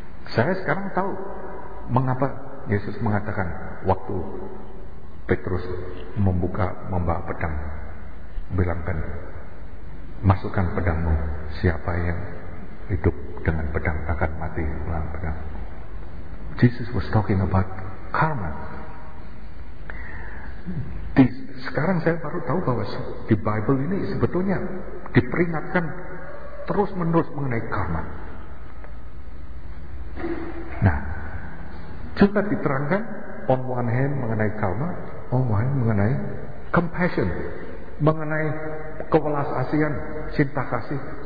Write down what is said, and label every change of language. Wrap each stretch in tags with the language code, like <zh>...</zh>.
<id>Saya sekarang tahu mengapa Yesus mengatakan waktu Petrus membawa pedang, bilangkan, masukkan pedangmu, siapa yang hidup dengan pedang akan mati melawan pedang.</id> <en>Jesus was talking about karma.</en> <id>Sekarang saya baru tahu bahwa di Bible ini sebetulnya diperingatkan terus menerus mengenai karma. Nah, juga diterangkan</id> <en>on one hand</en> <id>mengenai karma,</id> <en>on one hand</en> <id>mengenai compassion, mengenai kewelas asihan, cinta kasih.</id>